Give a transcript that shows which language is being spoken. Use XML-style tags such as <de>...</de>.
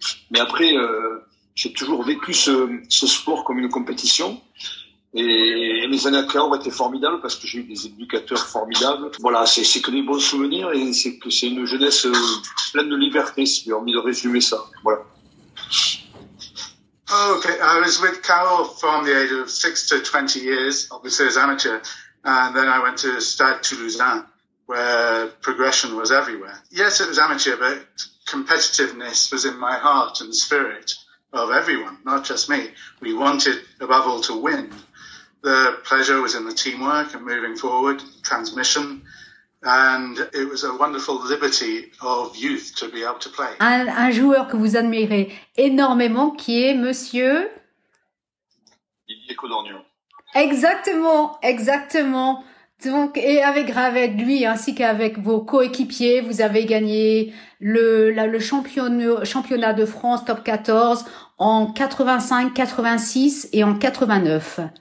<fr>Mais après, j'ai toujours vécu ce sport comme une compétition. Et les années à Cahors étaient formidables parce que j'ai eu des éducateurs formidables. Voilà, c'est que des bons souvenirs et c'est une jeunesse pleine de liberté, si j'ai envie de résumer ça. Voilà.</fr> <en>Oh, okay, I was with Cahors from the age of 6 to 20 years, obviously as amateur. And then I went to Stade Toulousain, where progression was everywhere. Yes, it was amateur, but competitiveness was in my heart and spirit of everyone, not just me. We wanted, above all, to win. The pleasure was in the teamwork and moving forward, transmission. And it was a wonderful liberty of youth to be able to play.</en> <fr>Un joueur que vous admirez énormément, qui est monsieur... Didier Codorniou. Exactement, exactement. Donc, et avec lui ainsi qu'avec vos coéquipiers, vous avez gagné le championnat de France top 14 en 85, 86 et en 89.</fr>